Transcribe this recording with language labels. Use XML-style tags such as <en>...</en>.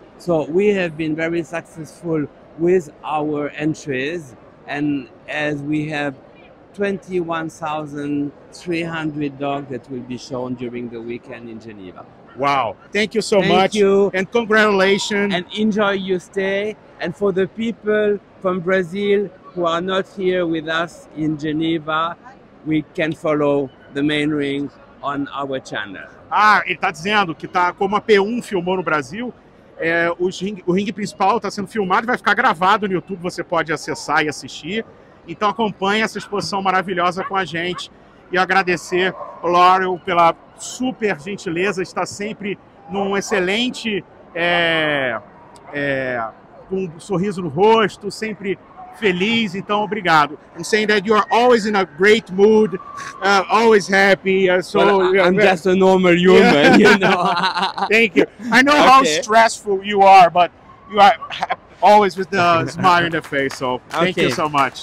<en>So we have been very successful with our entries, and as we have 21,300 dogs that will be shown during the weekend in Geneva. Wow, thank you so much. Thank you. And congratulations. And enjoy your stay. And for the people from Brazil who are not here with us in Geneva, we can follow the main ring on our channel.</en> <pt>Ah, ele está dizendo que tá como a P1 filmou no Brasil, o ringue principal está sendo filmado e vai ficar gravado no YouTube, você pode acessar e assistir. Então acompanhe essa exposição maravilhosa com a gente e agradecer ao Laurel pela super gentileza, está sempre num excelente, com um sorriso no rosto, sempre feliz, então obrigado.</pt> <en>I'm saying that you are always in a great mood, always happy. I'm just a normal human, yeah. You know. Thank you. I know how stressful you are, but you are always with the smile on the face, so thank you so much.</en>